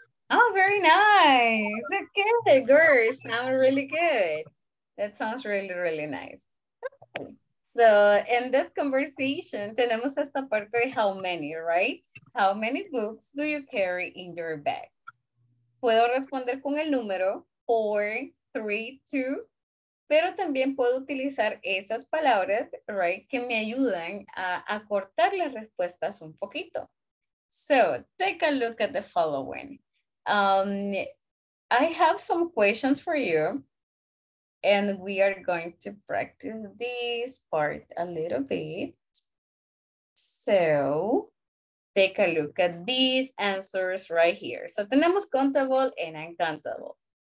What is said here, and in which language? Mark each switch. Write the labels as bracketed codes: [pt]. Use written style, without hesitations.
[en] Oh, very nice. Okay, the girls sound really good. That sounds really, really nice. So in this conversation, tenemos esta parte de how many, right? How many books do you carry in your bag? [es] Puedo responder con el número 4, 3, 2, pero también puedo utilizar esas palabras, right, que me ayudan a acortar las respuestas un poquito. [en] So, take a look at the following. I have some questions for you, and we are going to practice this part a little bit. So, take a look at these answers right here. So tenemos countable and uncountable.